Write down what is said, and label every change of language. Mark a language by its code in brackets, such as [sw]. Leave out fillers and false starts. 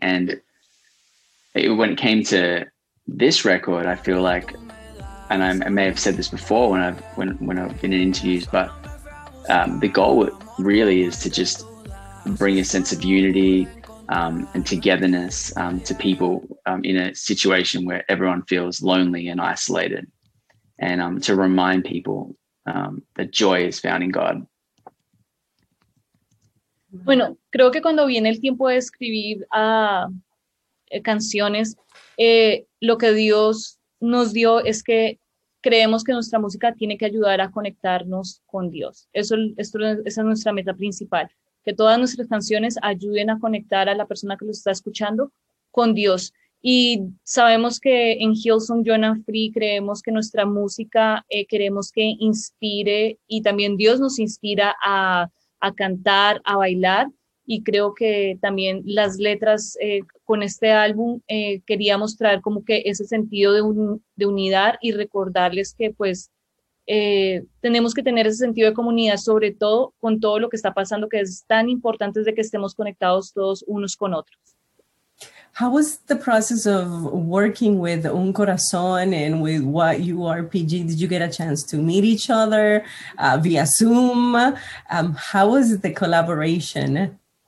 [en] And when it came to this record, I feel like, and I may have said this before when I've been in interviews, but the goal really is to just bring a sense of unity and togetherness to people in a situation where everyone feels lonely and isolated, and to remind people that joy is found in God. [es] Bueno, creo que cuando viene el tiempo de escribir canciones, lo que Dios nos dio es que creemos que nuestra música tiene que ayudar a conectarnos con Dios. Esa es nuestra meta principal, que todas nuestras canciones ayuden a conectar a la persona que lo está escuchando con Dios. Y sabemos que en Hillsong Young and Free creemos que nuestra música queremos que inspire, y también Dios nos inspira a cantar, a bailar. Y creo que también las letras con este álbum quería mostrar como que ese sentido de unidad y recordarles que pues tenemos que tener ese sentido de comunidad, sobre todo con todo lo que está pasando, que es tan importante de que estemos conectados todos unos con otros. [en] How was the process of working with Un Corazón and with YURPG? Did you get a chance to meet each other via Zoom? How was the collaboration?